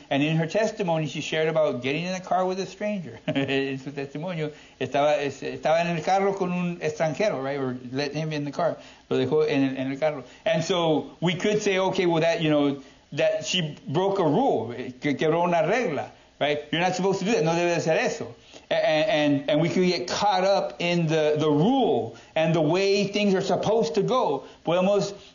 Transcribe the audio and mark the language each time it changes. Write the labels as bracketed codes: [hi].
[en] And in her testimony, she shared about getting in a car with a stranger. [es] En su testimonio, estaba en el carro con un extranjero, right? [en] Or let him in the car. [es] Lo dejó en el carro. [en] And so we could say, okay, well, that she broke a rule, [es] quebró una regla, [en] right? You're not supposed to do that. [es] No debe de ser eso. [en] And we could get caught up in the rule and the way things are supposed to go. Podemos